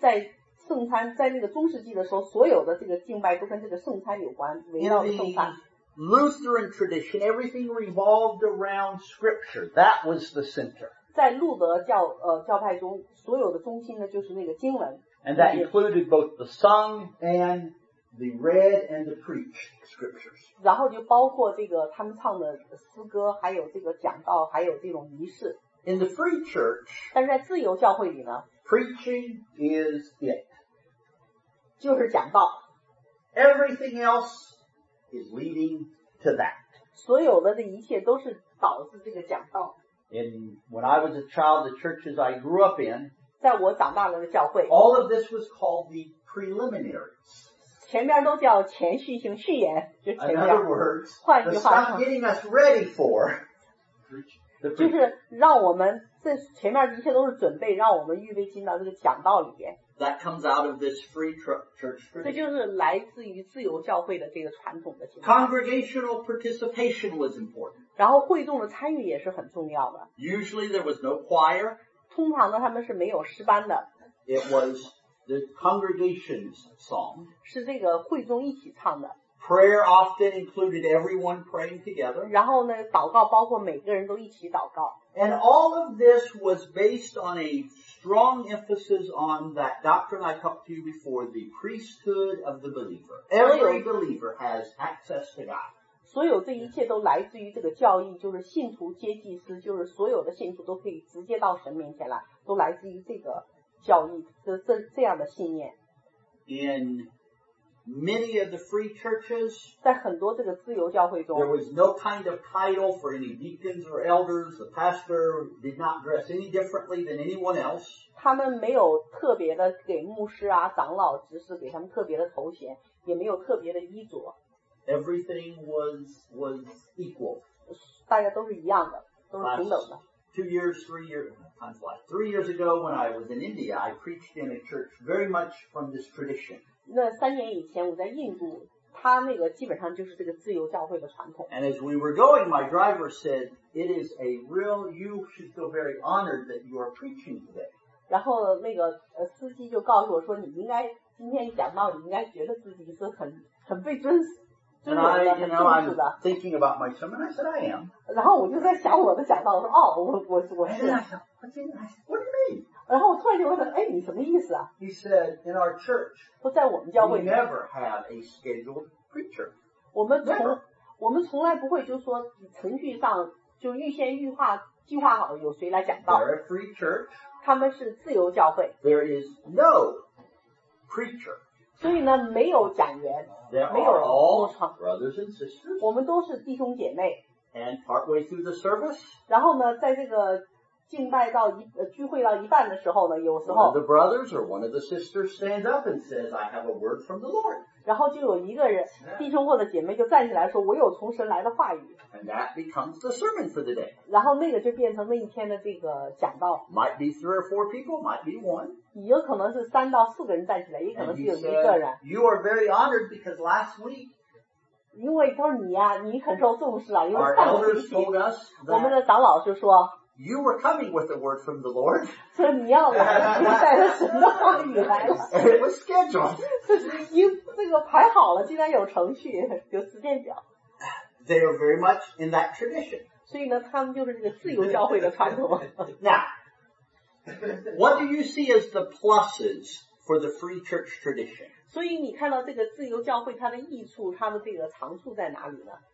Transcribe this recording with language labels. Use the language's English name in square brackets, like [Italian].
[English] In the Lutheran tradition, everything revolved around Scripture. That was the center. [Chinese] 在路德教教派中，所有的中心呢就是那个经文。 [English] And that included both the sung and the read and the preached Scriptures. [Chinese] 然后就包括这个他们唱的诗歌，还有这个讲道，还有这种仪式。 [English] In the free church, [Chinese] 但是在自由教会里呢 [English] ，preaching is it， [Chinese] 就是讲道。 [English] Everything else is leading to that。 [Chinese] 所有的这一切都是导致这个讲道。 [English] In when I was a child, the churches I grew up in， [Chinese] 在我长大了的教会 [English] ，all of this was called the preliminaries。 [Chinese] 前面都叫前序性序言，就前面。 [English] In other words, [Chinese] 换句话说 [English] stop getting us ready for, [Chinese] 就是让我们这前面一切都是准备，让我们预备进到这个讲道里边。 [English] That comes out of this free church tradition. [Chinese] 这就是来自于自由教会的这个传统的情况。 [English] Congregational participation was important. [Chinese] 然后会众的参与也是很重要的。 [English] Usually there was no choir. [Chinese] 通常呢，他们是没有诗班的。 [English] It was. The congregation's song [Chinese] 是这个会众一起唱的。 [English] Prayer often included everyone praying together. [Chinese] 然后呢，祷告包括每个人都一起祷告。 [English] And all of this was based on a strong emphasis on that doctrine I talked to you before, the priesthood of the believer. Every believer has access to God. [Chinese] 所有这一切都来自于这个教义，就是信徒接祭司，就是所有的信徒都可以直接到神面前来，都来自于这个。教义这样的信念 [English] In many of the free churches, [Chinese] 在很多这个自由教会中 [English] there was no kind of title for any deacons or elders. The pastor did not dress any differently than anyone else. [Chinese] 他们没有特别的给牧师啊长老执事给他们特别的头衔，也没有特别的衣着。 [English] Everything was equal. [Chinese] 大家都是一样的，都是平等的。 [English] 3 years ago when I was in India, I preached in a church very much from this tradition. [Chinese] 那三年以前我在印度，他那个基本上就是这个自由教会的传统。 [English] And as we were going, my driver said, "It is a real. You should feel very honored that you are preaching today." [Chinese] 然后那个司机就告诉我说，你应该今天讲到，你应该觉得自己是很被尊重。 [English] And I, you know, I'm thinking about my sermon. I said, I am. [Chinese] 然后我就在想我的讲道，我说，哦，我是。 [English] And I said, what do you mean? [Chinese] 然后我突然就问他，哎，你什么意思啊？ [English] He said, in our church, [Chinese] 说在我们教会里 [English] we never have a scheduled preacher. [Chinese] 我们从来不会就说程序上就预先计划好有谁来讲道。 [English] They're a free church. [Chinese] 他们是自由教会。 [English] There is no preacher. [Chinese] 所以呢，没有讲员，没有牧场。 [English] Brothers and sisters, [Chinese] 我们都是弟兄姐妹。 [English] And partway through the service, [Chinese] 然后呢，在这个敬拜到聚会到一半的时候呢，有时候 [English] one of the brothers or one of the sisters stands up and says, "I have a word from the Lord." [Chinese] 然后就有一个人弟兄或者姐妹就站起来说，我有从神来的话语。 [English] And that becomes the sermon for the day. [Chinese] 然后那个就变成那一天的这个讲道。 [English] Might be three or four people, might be one. [Chinese] 也可能是三到四个人站起来，也可能是有一个人。 [English] Said, you are very honored because last week, [Chinese] 因为都是你呀、啊，你很受重视啊，因为上个星期我们的长老就说 [English] ，You were coming with the word from the Lord. [Chinese] 说你要来，你带着神的话语来了。 [English] It was scheduled. [Chinese] 这个排好了，竟然有程序，有时间表。 [English] They are very much in that tradition. [Chinese] 所以呢，他们就是这个自由教会的传统。 [English] Now. What do you see as the pluses for the free church tradition. [Chinese] 所以你看到这个自由教会它的益处，它的这个长处在哪里呢？